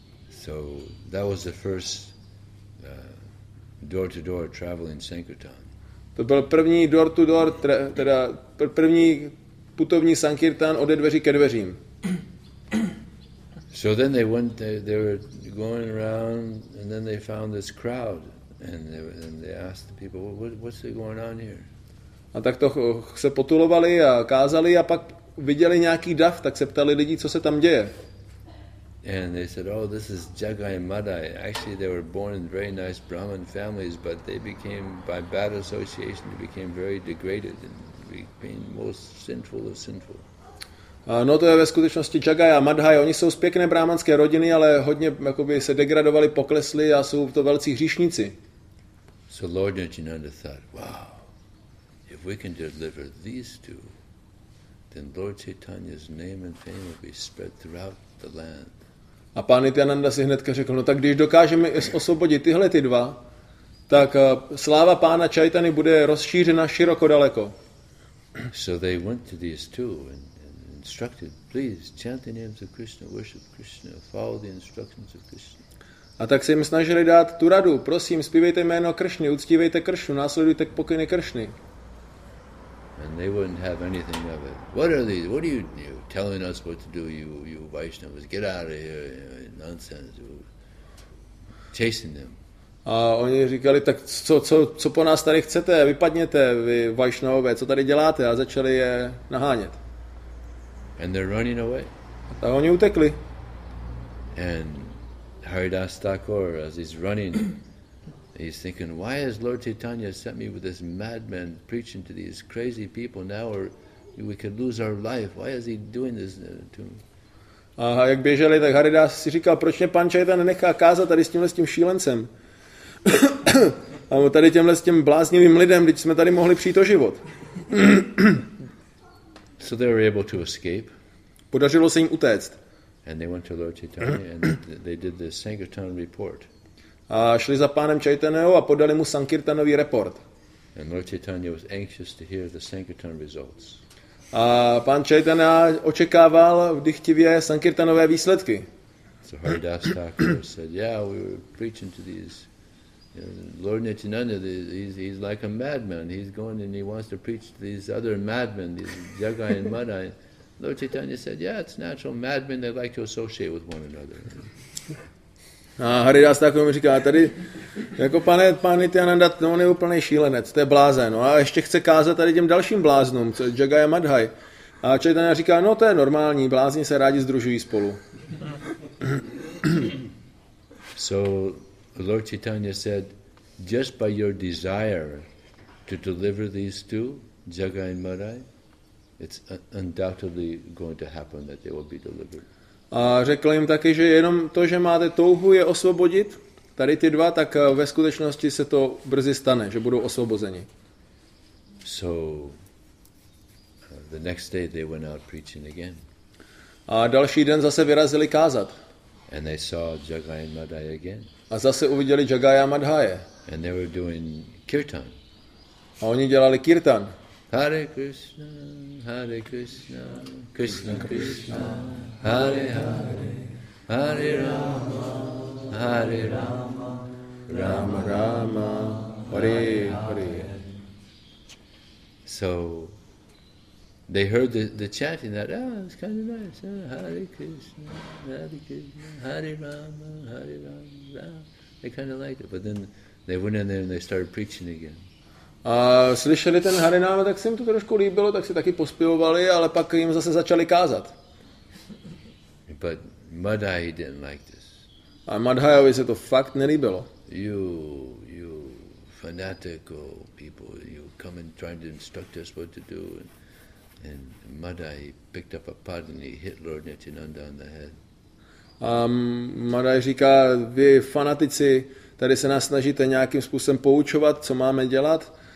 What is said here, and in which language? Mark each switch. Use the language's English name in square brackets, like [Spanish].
[English] So that was the first door-to-door travel in Sankirtan. [Czech] To byl první [English] door-to-door, [Czech] teda první putovní Sankirtan ode dveří ke dveřím. [English] So then they were going around and then they found this crowd and they asked the people what's going on here. [Czech] A tak to se potulovali a kázali a pak viděli nějaký dav, tak se ptali lidi, co se tam děje. [English] And they said, oh, this is Jagai Madai. Actually, they were born in very nice Brahmin families, but they became by bad association, they became very degraded and became most sinful of sinful. [Czech] No to je ve skutečnosti Jagai a Madhai, oni jsou z pěkné brahmanské rodiny, ale hodně jakoby se degradovali, poklesli a jsou to velcí hříšníci. [English] So Lord Nityananda thought, wow, if we can deliver these two, then Lord Chaitanya's name and fame will be spread throughout the land. [Czech] A pán Nityananda si hnedka řekl, no tak když dokážeme osvobodit tyhle ty dva, tak sláva pána Chaitany bude rozšířena široko daleko. [English] So they went to these two and instructed, please chant the names of Krishna, worship Krishna, follow the instructions of Krishna. [Czech] A tak se jim snažili dát tu radu, prosím, zpívejte jméno Krishny, uctívejte Krishnu, následujte pokyny Krishny. [English] And they wouldn't have anything of it. What are these? What are you telling us what to do, you Vaishnavas? Get out of here, you know, nonsense. Chasing them. [Czech] A oni říkali, tak co po nás tady chcete? Vypadněte, vy Vaishnavové, co tady děláte? A začali je nahánět. [English] And they're running away. [Czech] A oni utekli. [English] And Haridas Thakur, as he's running, he's thinking, why has Lord Chaitanya sent me with this madman preaching to these crazy people now, or we could lose our life? Why is he doing this to me? [Czech] A jak běželi, tak Haridas si říkal, proč mě pan Chaitanya nechá kázat tady s tím šílencem? A tady těmhle s tím bláznivým lidem, když jsme tady mohli přijít o život. [English] So they were able to escape. [Czech] Podařilo se jim utéct. [English] And they went to Lord Chaitanya and they did the Sankirtan report. [Czech] A šli za pánem Chaitanyou a podali mu Sankirtanový report. [English] And Lord Chaitanya was anxious to hear the Sankirtan results. [Czech] A pán Chaitanya očekával vdychtivě Sankirtanové výsledky. [English] So Haridas Thakur said, yeah, we were preaching to these. Lord Nityananda, he's like a madman. He's going and he wants to preach to these other madmen, these Jagai and Madhai. Lord Chaitanya said, yeah, it's natural. Madmen, they like to associate with one another. [Czech] A Haridas takový mi říká, tady, jako pane, pán Nityananda, no, on je úplný šílenec, to je blázen. A ještě chce kázat tady těm dalším bláznům, co je Jagaya Madhai. A Chaitanya říká, no to je normální, blázni se rádi združují spolu. [English] So Lord Chaitanya said, just by your desire to deliver these two, Jagaya and Madhai, it's undoubtedly going to happen that they will be delivered. [Czech] A řekl jim taky, že jenom to, že máte touhu je osvobodit tady ty dva, tak ve skutečnosti se to brzy stane, že budou osvobozeni. [English] So the next day they went out preaching again. [Czech] A další den zase vyrazili kázat. [English] And they saw Jagaya and Madhai again. [Czech] A zase uviděli Jagaya Madhaye. [English] And they were doing kirtan. [Czech] A oni dělali kirtan. [Sanskrit] Hare Krishna, Hare Krishna, Krishna Krishna, Hare Hare, Hare Rama, Hare Rama, Rama Rama, Hare Hare. [English] So they heard the chanting that, ah, it's kind of nice, Hare Krishna, Hare Krishna, Hare Rama, Hare Rama, they kind of liked it, but then they went in there and they started preaching again. [Czech] A slyšeli ten Harináma, tak se jim to trošku líbilo, tak si taky pospívali, ale pak jim zase začali kázat. [English] But Madhai didn't like this. [Czech] A Madhajovi se to fakt nelíbilo. [English] You, you fanatical people, you come and try to instruct us what to do. And Madhai picked up a pad and he hit Lord Nityananda on the head. [Czech] A Madhai říká, vy fanatici, tady se nás snažíte nějakým způsobem poučovat, co máme dělat.